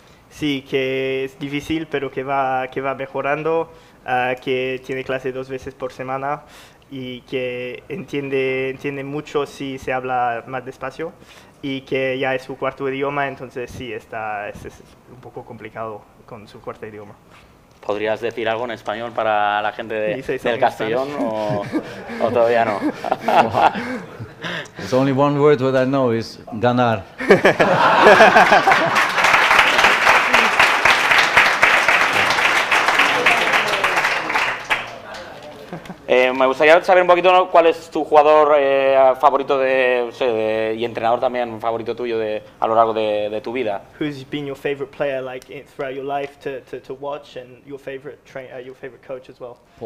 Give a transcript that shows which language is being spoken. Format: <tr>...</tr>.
<es>Sí, que es difícil, pero que va mejorando, que tiene clase dos veces por semana y que entiende mucho si se habla más despacio y que ya es su cuarto idioma, entonces sí, es un poco complicado con su cuarto idioma. ¿Podrías decir algo en español para la gente del Castellón o todavía no?</es> <en>There's only one word that I know is ganar.</en> <es>Me gustaría saber un poquito, ¿no?, cuál es tu jugador favorito y entrenador también favorito tuyo a lo largo de tu vida.</es> <en>Who's been your favorite player like throughout your life to watch and your favorite your favorite coach as well?</en>